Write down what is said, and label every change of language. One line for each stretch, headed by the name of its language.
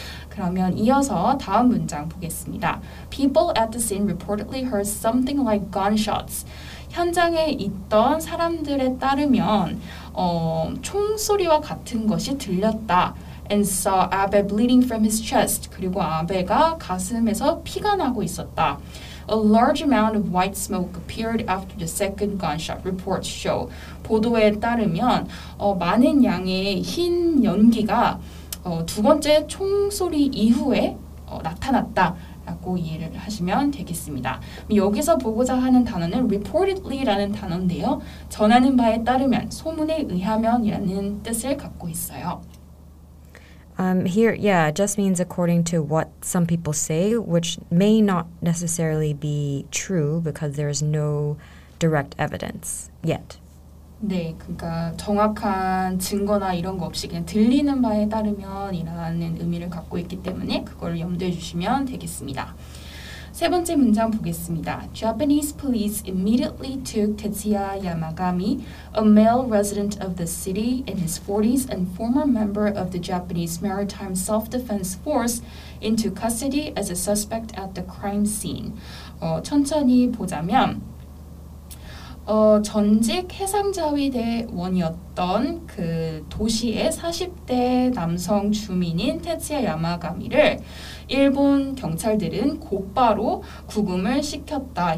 Korean: 그러면 이어서 다음 문장 보겠습니다.
English: People at the scene reportedly heard something like gunshots.
Korean: 현장에 있던 사람들에 따르면 총소리와 같은 것이 들렸다.
English: And saw Abe bleeding from his chest.
Korean: 그리고 아베가 가슴에서 피가 나고 있었다.
English: A large amount of white smoke appeared after the second gunshot report show.
Korean: 보도에 따르면 많은 양의 흰 연기가 두 번째 총소리 이후에 나타났다라고 이해를 하시면 되겠습니다. 여기서 보고자 하는 단어는 reportedly라는 단어인데요. 전하는 바에 따르면, 소문에 의하면이라는 뜻을 갖고 있어요.
English: Here, yeah, it just means according to what some people say, which may not necessarily be true because there is no direct evidence yet.
Korean: 네, 그러니까 정확한 증거나 이런 거 없이 그냥 들리는 바에 따르면이라는 의미를 갖고 있기 때문에 그걸 염두해 주시면 되겠습니다. 세 번째 문장 보겠습니다.
English: Japanese police immediately took Tetsuya Yamagami, a male resident of the city in his 40s and former member of the Japanese Maritime Self-Defense Force, into custody as a suspect at the crime scene.
Korean: 천천히 보자면 전직 해상자위대원이었던 그 도시의 40대 남성 주민인 테츠야 야마가미를 일본 경찰들은 곧바로 구금을 시켰다.